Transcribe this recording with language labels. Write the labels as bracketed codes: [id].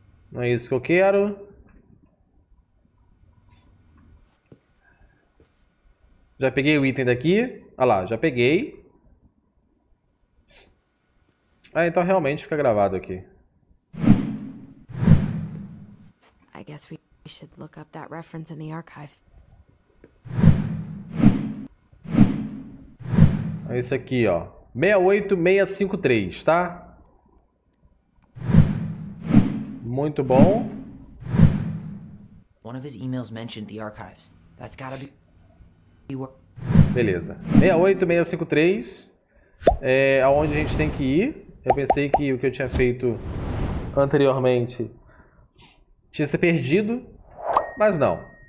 [pt] Não é isso que eu quero. Já peguei o item daqui. Olha lá, já peguei. Ah, então realmente fica gravado aqui. [en] I guess we should look up that reference in the archives. [pt] Esse aqui, ó. 68653, tá? Muito bom. [en] One of his emails mentioned the archives. That's gotta be... [pt] Beleza. 68653 é aonde a gente tem que ir. Eu pensei que o que eu tinha feito anteriormente tinha se perdido, mas não.